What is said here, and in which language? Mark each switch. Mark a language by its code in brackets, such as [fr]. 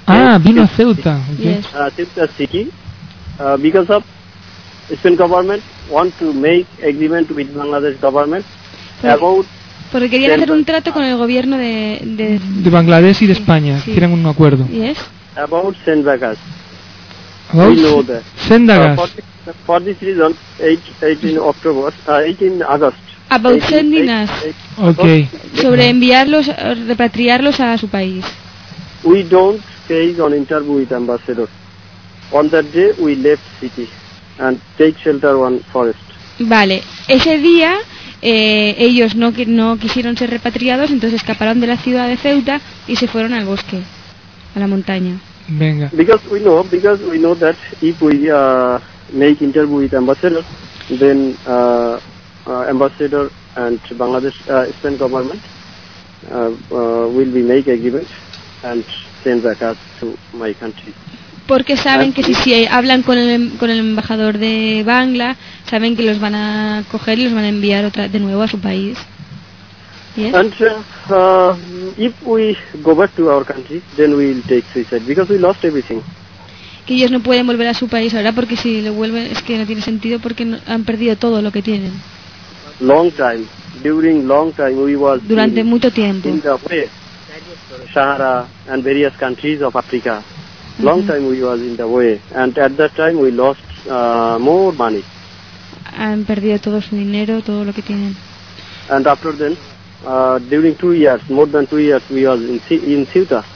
[en] Ceuta City, because of Spain government want to make agreement with Bangladesh government about. [es] Porque querían hacer un trato con el gobierno de Bangladesh y de España. Sí. Quieren un acuerdo. [en] Yes. About Sendagas. About Sendagas. For this reason, 18 August. About sending us. Okay. [es] Sobre enviarlos, repatriarlos a su país. [en] We don't face on interview with ambassador. On that day we left city and take shelter one forest. [es] Vale, ese día ellos no quisieron ser repatriados, entonces escaparon de la ciudad de Ceuta y se fueron al bosque, a la montaña. Venga. [en] Because we know that if we make interview with ambassador, then ambassador and Bangladesh Spain government will be make agreement and send back us to my country. [es] Porque saben and que si hablan con el embajador de Bangla, saben que los van a coger y los van a enviar de nuevo a su país. Yes? [en] And if we go back to our country, then we'll take suicide because we lost everything. [es] Que ellos no pueden volver a su país ahora porque si lo vuelven es que no tiene sentido porque han perdido todo lo que tienen. [en] Long time, during long time we were [es] durante mucho tiempo [en] in the West, Sahara and various countries of Africa. Long time we was in the way and at that time we lost more money. [es] Han perdido todo su dinero, todo lo que tienen. [en] And after then, during 2 years, more than 2 years, we was in Ceuta.